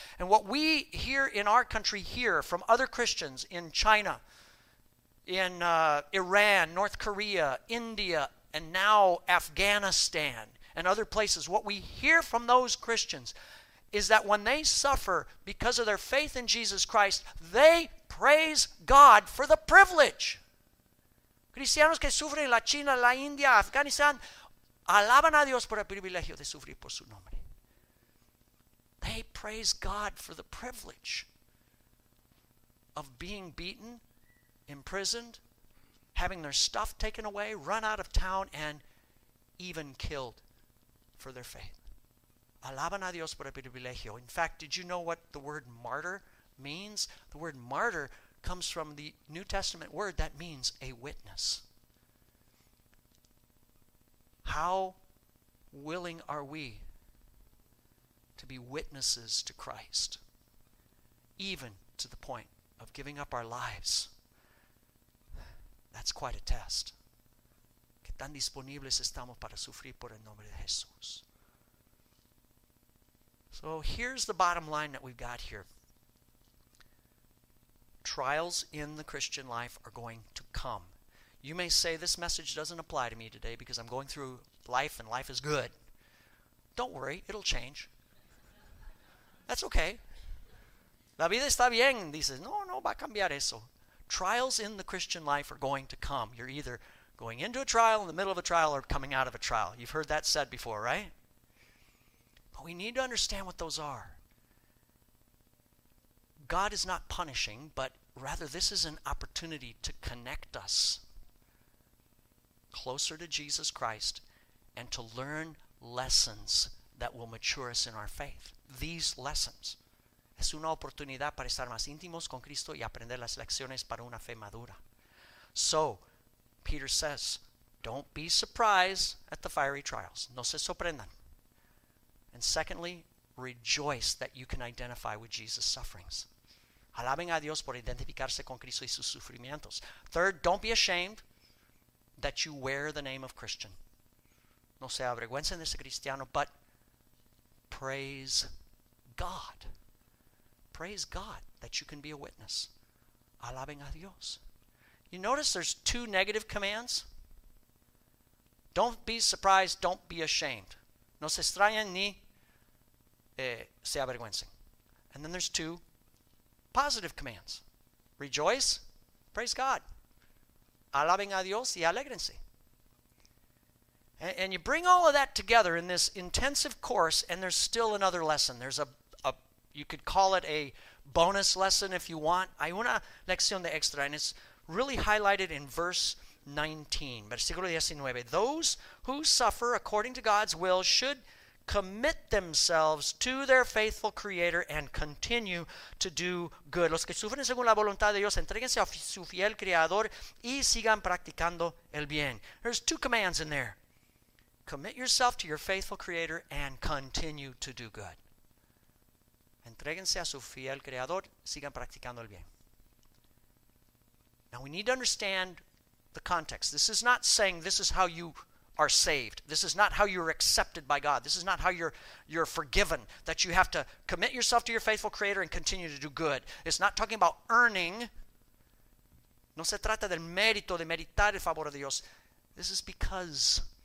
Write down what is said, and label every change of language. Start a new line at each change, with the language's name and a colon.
English: And what we here in our country hear from other Christians in China, in Iran, North Korea, India, and now Afghanistan and other places, what we hear from those Christians is that when they suffer because of their faith in Jesus Christ, they praise God for the privilege.
Spanish: Cristianos que sufren la China, la India, Afganistán, alaban a Dios por el privilegio de sufrir por su nombre.
English: They praise God for the privilege of being beaten, imprisoned, having their stuff taken away, run out of town, and even killed for their faith.
Spanish: Alaban a Dios por el privilegio.
English: In fact, did you know what the word martyr means? The word martyr comes from the New Testament word that means a witness. How willing are we to be witnesses to Christ, even to the point of giving up our lives? That's quite a test.
Spanish: ¿Qué tan disponibles estamos para sufrir por el nombre de Jesús?
English: So here's the bottom line that we've got here. Trials in the Christian life are going to come. You may say this message doesn't apply to me today because I'm going through life and life is good. Don't worry, it'll change. That's okay.
Spanish: La vida está bien, dices. No, va a cambiar eso.
English: Trials in the Christian life are going to come. You're either going into a trial, in the middle of a trial, or coming out of a trial. You've heard that said before, right? But we need to understand what those are. God is not punishing, but rather this is an opportunity to connect us closer to Jesus Christ and to learn lessons that will mature us in our faith. These lessons.
Spanish: Es una oportunidad para estar más íntimos con Cristo y aprender las lecciones para una fe madura.
English: So, Peter says, don't be surprised at the fiery trials.
Spanish: No se sorprendan.
English: And secondly, rejoice that you can identify with Jesus' sufferings.
Spanish: Alaben a Dios por identificarse con Cristo y sus sufrimientos.
English: Third, don't be ashamed that you wear the name of Christian.
Spanish: No se avergüencen de ser cristiano,
English: but praise God. Praise God that you can be a witness.
Spanish: Alaben a Dios.
English: You notice there's two negative commands. Don't be surprised, don't be ashamed.
Spanish: No se extrañen ni se avergüencen.
English: And then there's two positive commands. Rejoice, praise God.
Spanish: Alaben a Dios y alégrense.
English: And you bring all of that together in this intensive course, and there's still another lesson. There's a you could call it a bonus lesson if you want.
Spanish: Hay una lección de extra,
English: and it's really highlighted in verse 19.
Spanish: Versículo 19.
English: Those who suffer according to God's will should commit themselves to their faithful Creator and continue to do good.
Spanish: Los que sufren según la voluntad de Dios, entréguense a su fiel Creador y sigan practicando el bien.
English: There's two commands in there. Commit yourself to your faithful Creator and continue to do good.
Spanish: Entréguense a su fiel Creador, sigan practicando el bien.
English: Now we need to understand the context. This is not saying this is how you are saved. This is not how you're accepted by God. This is not how you're forgiven, that you have to commit yourself to your faithful Creator and continue to do good. It's not talking about earning.
Spanish: No se trata del mérito, de meritar el favor de Dios.
English: This is because